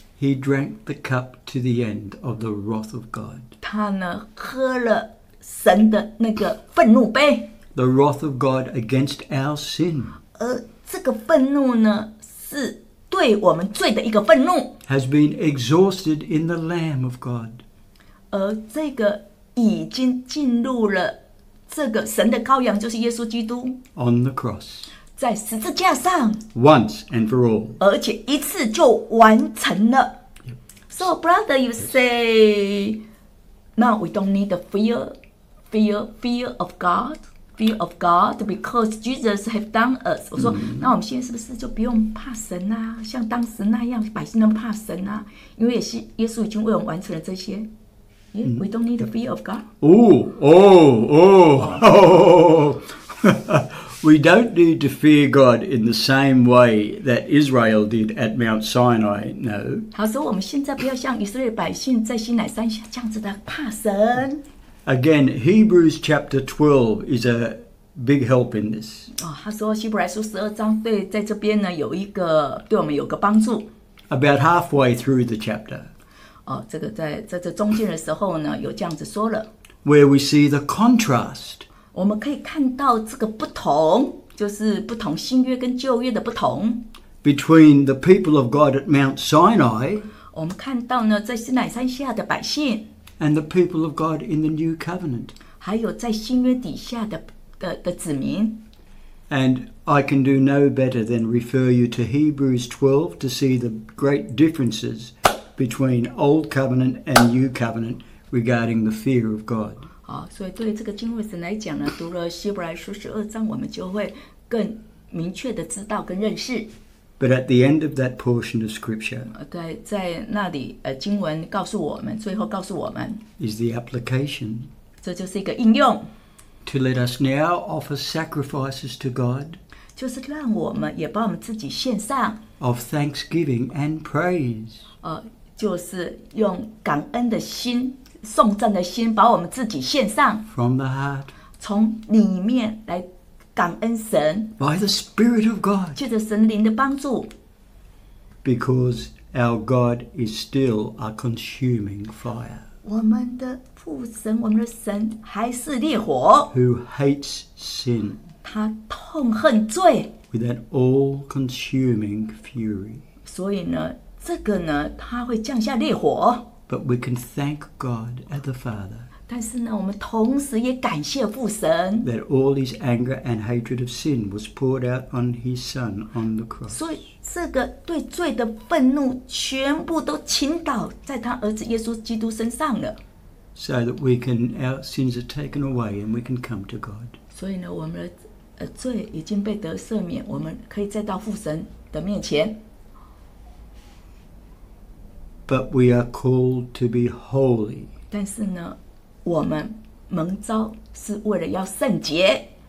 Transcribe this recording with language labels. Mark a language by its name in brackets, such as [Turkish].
[English] He drank the cup to the end of the wrath of God. [Chinese] 他呢喝了神的那个愤怒杯。 [English] The wrath of God against our sin. [Chinese] 而这个愤怒呢是对我们罪的一个愤怒。 [English] Has been exhausted in the Lamb of God. [Chinese] 而这个已经进入了这个神的羔羊就是耶稣基督 [English] On the cross [Chinese] 在十字架上 [English] Once and for all [Chinese] 而且一次就完成了、 [English] So brother you say Now we don't need the fear of God Because Jesus have done us [Chinese] 我说、那我们现在是不是就不用怕神啊像当时那样百姓那么怕神啊因为也是耶稣已经为我们完成了这些 [English] Yeah, we don't need the fear of God. Oh. We don't need to fear God in the same way that Israel did at Mount Sinai, no. [Chinese] 他说我们现在不要像以色列百姓在西乃山下这样子的怕神。 [English] Again, Hebrews chapter 12 is a big help in this. [Chinese] 他说希伯来书十二章对在这边呢有一个对我们有个帮助。 [English] About halfway through the chapter. [Chinese] 哦，这个在这中间的时候呢，有这样子说了。 [English] Where we see the contrast， [Chinese] 我们可以看到这个不同，就是不同新约跟旧约的不同。 [English] Between the people of God at Mount Sinai， [Chinese] 我们看到呢，在西乃山下的百姓。 [English] And the people of God in the New Covenant， [Chinese] 还有在新约底下的子民。 [English] And I can do no better than refer you to Hebrews 12 to see the great differences。 Between Old Covenant and New Covenant regarding the fear of God. [Chinese] 好，所以对这个经文神来讲呢，读了希伯来书十二章，我们就会更明确的知道跟认识。 [English] But at the end of that portion of Scripture, [Chinese] 在那里经文告诉我们，最后告诉我们 [English] is the application. [Chinese] 这就是一个应用 [English] to let us now offer sacrifices to God. [Chinese] 就是让我们也把我们自己献上 [English] of thanksgiving and praise. [Chinese] 就是用感恩的心颂赞的心把我们自己献上 [English] From the heart [Chinese] 从里面来感恩神 [English] By the Spirit of God [Chinese] 借着神灵的帮助 [English] Because our God is still a consuming fire [Chinese] 我们的父神我们的神还是烈火 [English] Who hates sin [Chinese] 他痛恨罪 [English] With an all-consuming fury [Chinese] 所以呢这个呢，他会降下烈火。 [English] But we can thank God as the Father. [Chinese] 但是呢，我们同时也感谢父神。 [English] That all his anger and hatred of sin was poured out on his son on the cross. [Chinese] 所以这个对罪的愤怒全部都倾倒在他儿子耶稣基督身上了。 [English] So that we can, our sins are taken away and we can come to God. [Chinese] 所以呢，我们的罪已经被得赦免，我们可以再到父神的面前。 [English] But we are called to be holy. [Chinese] 但是呢，我们蒙召是为了要圣洁。